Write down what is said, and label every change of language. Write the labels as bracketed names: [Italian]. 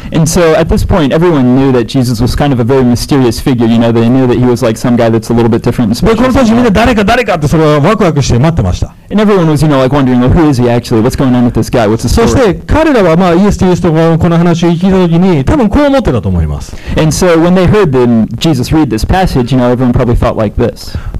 [English] And so at this point, everyone knew that Jesus was kind of a very mysterious figure, you know, they knew that he was like some guy that's a little bit different. [Japanese] で、この当時みんな誰か誰かってそれはワクワクして待ってました。 [English] And everyone was, you know, like wondering, well, who is he actually? What's going on with this guy? What's the story? [Japanese] そして彼らはまあイエス・キリストがこの話を聞いた時に多分こう思ってたと思います。 [English] And so when they heard them, Jesus read this passage, you know, everyone probably thought like this.